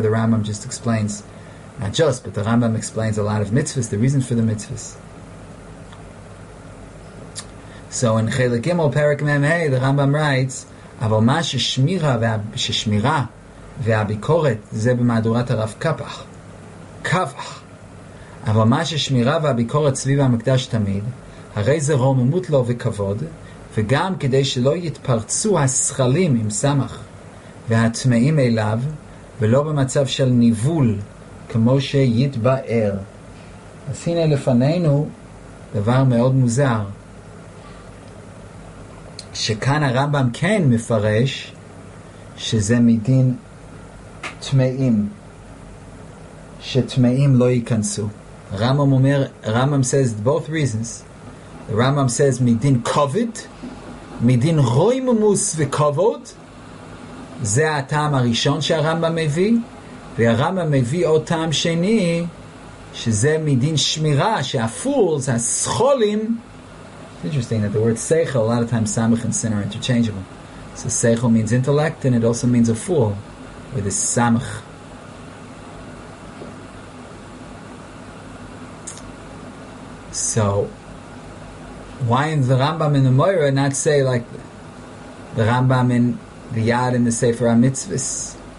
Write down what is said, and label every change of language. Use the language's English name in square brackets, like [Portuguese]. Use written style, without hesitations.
[English] The Rambam just explains, not just, but the Rambam explains a lot of mitzvahs, the reason for the mitzvahs. So in chelek gimel parak mem hey, the Rambam writes, [Hebrew] אבל מה ששמירה והביקורת זה במהדורת הרב קפח. אבל מה ששמירה והביקורת סביב המקדש תמיד, הרי זה רוממות לו וכבוד, וגם כדי שלא יתפרצו השכלים עם סמך והטמאים אליו, ולא במצב של ניבול כמו שיתבאר. אז הנה לפנינו דבר מאוד מוזר, שכאן הרמב״ם כן מפרש שזה מדין טמאים, שטמאים לא ייכנסו. הרמב״ם אומר, [English] הרמב״ם says both reasons. [Hebrew] הרמב״ם says מדין כבוד, מדין רוממות וכבוד, זה הטעם הראשון שהרמב״ם מביא, והרמב״ם מביא עוד טעם שני, שזה מדין שמירה, שהפולס, הסחולים. [English] Interesting that the word seichel, a lot of times samach and sin are interchangeable. So seichel means intellect, and it also means a fool, with a samach. So, why in the Rambam in the Moira not say like the Rambam in the Yad in the Sefer HaMitzvahs?